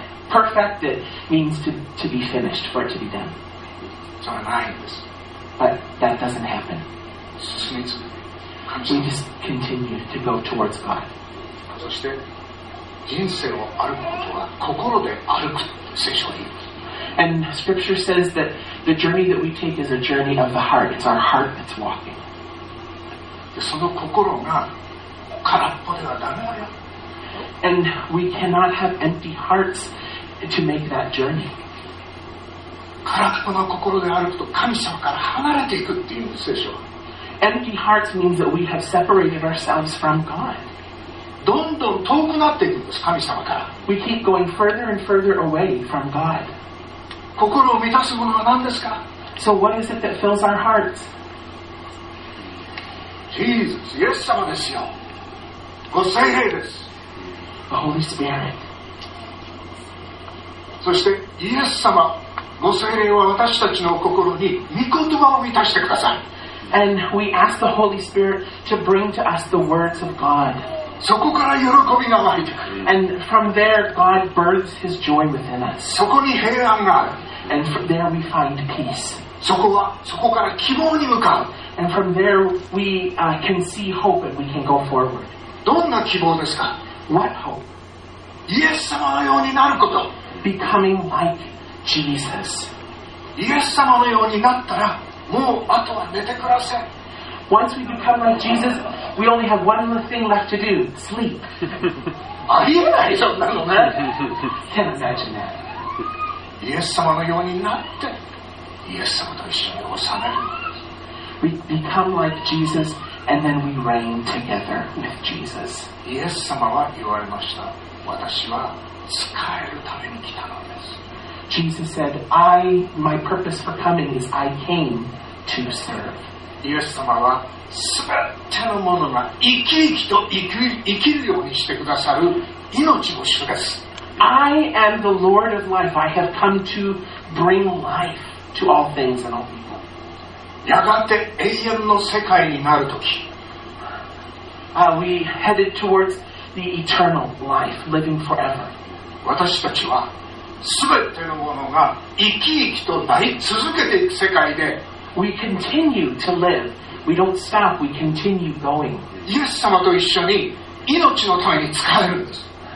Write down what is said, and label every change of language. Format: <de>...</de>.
<en>Perfect it means to be finished, for it to be done.</en> <ja>それはないんです。</ja> <en>But that doesn't happen.</en> <ja>進み続け。</ja> <en>We just continue to go towards God.</en> <ja>そして人生を歩くことは心で歩く聖書に。</ja> <en>And scripture says that the journey that we take is a journey of the heart. It's our heart that's walking.</en> <ja>その心が空っぽではダメだよ。</ja> <en>And we cannot have empty hearts to make that journey.</en> <ja>空っぽな心で歩くと神様から離れていくっていう聖書は。</ja> <en>empty hearts means that we have separated ourselves from God.</en> <ja>どんどん遠くなっていくんです、神様から。</ja> <en>We keep going further and further away from God.</en> <ja>心を満たすものは何ですか?</ja> <en>So what is it that fills our hearts?</en> <ja>Jesus, イエス様ですよ。ご聖霊です。</ja> <en>The Holy Spirit.</en> <ja>そしてイエス様、ご聖霊は私たちの心に御言葉を満たしてください。</ja> <en>And we ask the Holy Spirit to bring to us the words of God.</en> <ja>そこから喜びが湧いてくる。</ja> <en>And from there, God births His joy within us.</en> <ja>そこに平安がある。</ja> <en>And from there we find peace.</en> <ja>そこから希望に向かう。</ja> <en>And from there we can see hope and we can go forward.</en> <ja>どんな希望ですか?</ja> <en>What hope?</en> <ja>イエス様のようになること。</ja> <en>Becoming like Jesus.</en> <ja>イエス様のようになったらもうあとは寝てください。</ja> <en>Once we become like Jesus, we only have one more thing left to do: sleep.</en> <ja>ありえないそんなのね。</ja> <en>Can't imagine that.</en> <ja>イエス様のようになってイエス様と一緒に治める。</ja> <en>We become like Jesus, and then we reign together with Jesus.</en> <ja>イエス様は言われました。私は使えるために来たのです。</ja> <en>Jesus said, I, my purpose for coming is I came to serve.</en> <ja>イエス様は全てのものが生き生きと生きるようにしてくださる命の主です。</ja> <en>I am the Lord of life. I have come to bring life to all things and all people.</en> <ja>やがて永遠の世界になるとき。</ja> <en>We headed towards the eternal life, living forever.</en> <ja>私たちは全てのものが生き生きとなり続けていく世界で</ja> <en>We continue to live. We don't stop. We continue going.</en> <ja>イエス様と一緒に命のために使えるんです。</ja>